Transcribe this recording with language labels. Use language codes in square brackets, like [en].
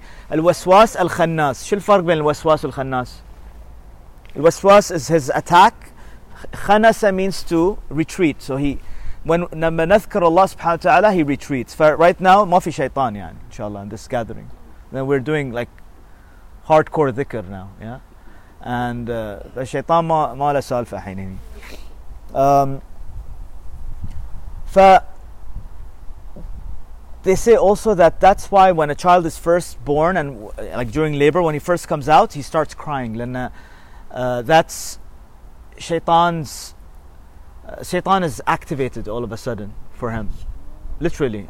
[ar] Al-waswas al-khannas. Shil farq bin al-waswas al-khannas. [en] Al-waswas is his attack. Khanasa means to retreat. So he... When [ar] نذكر [en] Allah subhanahu wa ta'ala, he retreats. For right now, [ar] ما في شيطان يعني, [en] inshallah, in this gathering. Then we're doing like hardcore dhikr now, yeah? And the shaitan [ar] ما له سالفة حين هني. [en] They say also that's why when a child is first born, and like during labor, when he first comes out, he starts crying. That's shaitan's... Shaitan is activated all of a sudden for him, literally.